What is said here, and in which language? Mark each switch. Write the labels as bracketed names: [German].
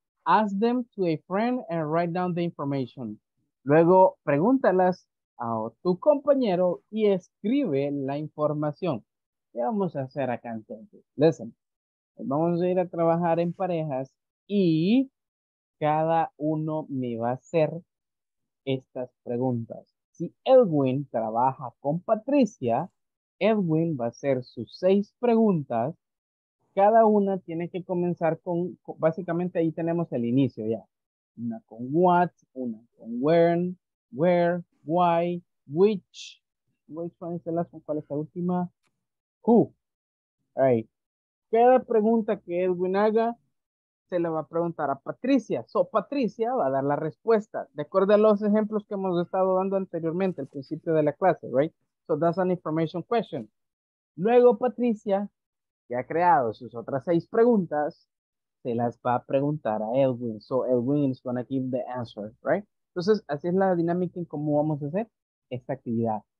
[English] Ask them to a friend and write down the information. [Spanish] Luego, pregúntalas a tu compañero y escribe la información. ¿Qué vamos a hacer acá entonces? [English] Listen. [Spanish] Vamos a ir a trabajar en parejas y cada uno me va a hacer estas preguntas. Si Edwin trabaja con Patricia, Edwin va a hacer sus 6 preguntas. Cada una tiene que comenzar con, básicamente ahí tenemos el inicio ya. Una con what, una con when, where, why, [English] which one is the last one, [Spanish] ¿cuál es la última? Who. All right. Cada pregunta que Edwin haga, se la va a preguntar a Patricia. So, Patricia va a dar la respuesta. De acuerdo a los ejemplos que hemos estado dando anteriormente, al principio de la clase, right? [English] So that's an information question. [Spanish] Luego Patricia, que ha creado sus otras 6 preguntas, se las va a preguntar a Edwin. [English] So Edwin is going to give the answer, right? [Spanish] Entonces, así es la dinámica en cómo vamos a hacer esta actividad.